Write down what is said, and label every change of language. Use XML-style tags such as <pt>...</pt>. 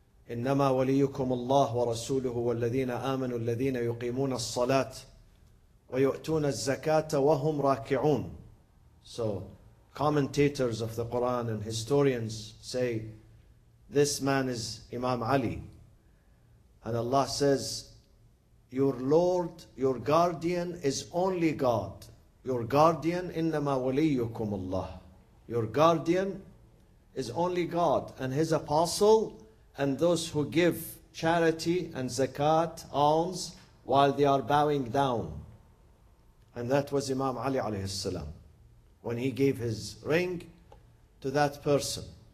<ar>إِنَّمَا وَلِيُّكُمُ اللَّهُ وَرَسُولُهُ وَالَّذِينَ آمَنُوا الَّذِينَ يُقِيمُونَ الصَّلَاةِ وَيُؤْتُونَ الزَّكَاةَ وَهُمْ رَاكِعُونَ.</ar> <en>So commentators of the Quran and historians say this man is Imam Ali, and Allah says, your Lord, your guardian is only God. Your guardian,</en> <ar>إِنَّمَا وَلِيُّكُمُ اللَّهُ.</ar> <en>Your guardian is only God and His apostle and those who give charity and zakat, alms, while they are bowing down. And that was Imam Ali alayhi salam, when he gave his ring to that person.</en>